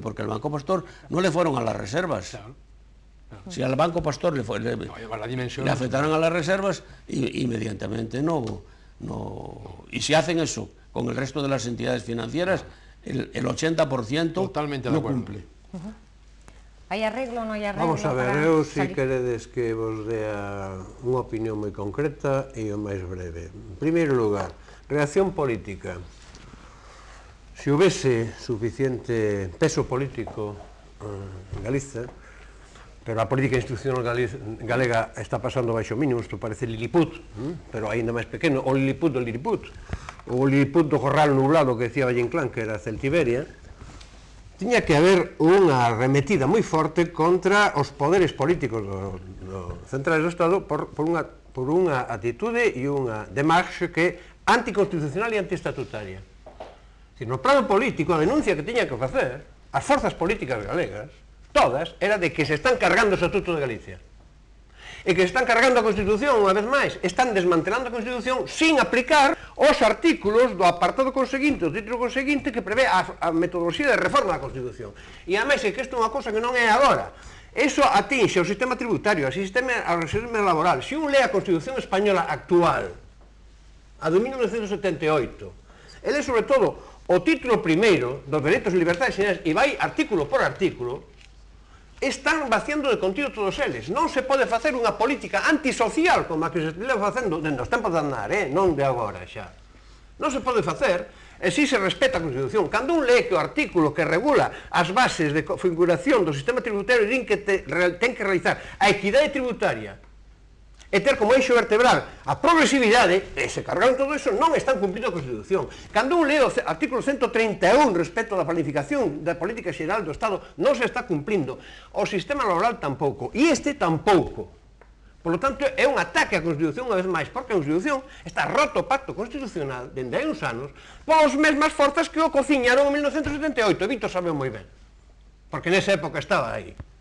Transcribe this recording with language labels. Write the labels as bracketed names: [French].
[Spanish] Porque al Banco Pastor no le fueron a las reservas. Si al Banco Pastor le afectaron a las reservas, inmediatamente no. Y si hacen eso con el resto de las entidades financieras, el 80% totalmente no cumple. ¿Hay arreglo o no hay arreglo? [Galician] Vamos a ver, eu si queredes que vos dé unha opinión moi concreta e o máis breve. En primeiro lugar, reacción política. Se houvese suficiente peso político en Galiza, pero a política institucional galega está pasando baixo mínimo, isto parece Liliput, pero ainda máis pequeno, o Liliput do Liliput, o Liliput do Corral Nublado que decía Valle-Inclán, que era Celtiberia, tiña que haber unha arremetida moi forte contra os poderes políticos centrais do Estado por unha atitude e unha demarche que anticonstitucional e antiestatutaria. Si, no plano político, a denuncia que tiña que facer as forzas políticas galegas, todas, era de que se están cargando o Estatuto de Galicia. E que se están cargando a Constitución, unha vez máis, están desmantelando a Constitución sin aplicar os artículos do apartado conseguinte, do título conseguinte, que prevé a metodoloxía de reforma da Constitución. E, ademais, é que isto é unha cosa que non é agora. Eso atinxe ao sistema tributario, ao sistema laboral. Se un lea a Constitución española actual, a do 1978, ele, sobre todo, o título primeiro dos Derechos e Libertades Xenerais, e vai artículo por artículo, están vaciando de contido todos eles. Non se pode facer unha política antisocial como a que se está facendo dende os tempos de Aznar, non de agora xa. Non se pode facer e si se respeta a Constitución. Cando un lee que o artículo que regula as bases de configuración do sistema tributario din que ten que realizar a equidade tributaria e ter como eixo vertebral a progresividade, e se cargaron todo eso, non están cumplindo a Constitución. Cando un lee o artículo 131 respecto da planificación da política xeral do Estado, non se está cumplindo. O sistema laboral tampouco, e este tampouco. [Spanish] Por lo tanto, [Galician] é un ataque á Constitución unha vez máis, porque a Constitución está roto o pacto constitucional dende hai uns anos, polas mesmas forzas que o cociñaron en 1978, Vito sabeu moi ben, porque nesa época estaba aí.